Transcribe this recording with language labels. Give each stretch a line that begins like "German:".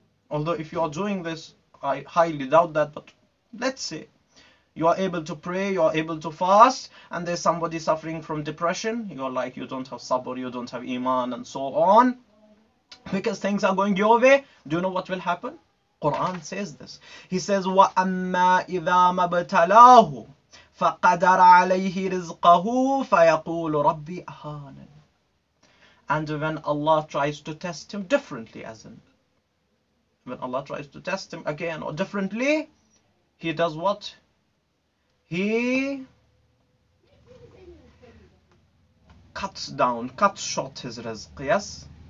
English: Although if you are doing this, I highly doubt that. But let's say You are able to pray, you are able to fast, and there's somebody suffering from depression. You're like, you don't have sabr, you don't have iman, and so on. Because things are going your way. Do you know what will happen? Quran says this. He says,
Arabic: وَأَمَّا إِذَا مَبْتَلَاهُ فَقَدَرَ عَلَيْهِ رِزْقَهُ فَيَقُولُ رَبِّي أَهَانَنِ.
English: And when Allah tries to test him differently, as in, when Allah tries to test him again or differently, he does what? He cuts down, cuts short his rizq, yes?